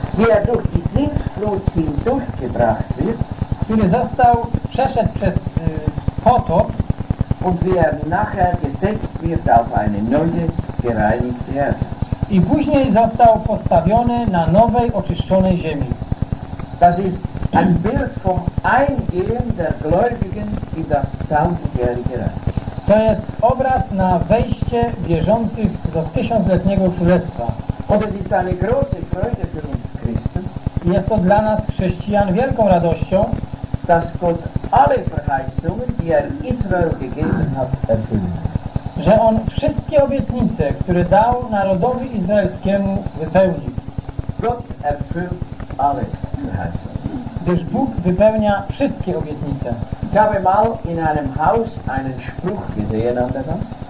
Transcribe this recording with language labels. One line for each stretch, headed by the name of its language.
Polish: Wiadukt i syn ludzki duszki brachty, który został, przeszedł przez potop.
German: Und wer nachher gesetzt wird auf eine neue gereinigte Erde.
Polish: I później został postawiony na nowej oczyszczonej ziemi.
German: Das ist ein Bild vom Eingehen der Gläubigen in das tausendjährige Reich.
Polish: To jest obraz na wejście wierzących do tysiącletniego królestwa.
German: Und es ist eine große Freude für uns Christen.
Polish: Jest to dla nas chrześcijan wielką radością,
German: dass Gott alle Verheißungen, die Israel gegeben hat, erfüllt.
Polish: Że on wszystkie obietnice, które dał narodowi izraelskiemu, wypełnił.
German: Gott erfüllt alle Verheißungen.
Polish: Gdyż Bóg wypełnia wszystkie obietnice.
German: Ich habe mal in einem Haus einen Spruch gesehen, an der Wand.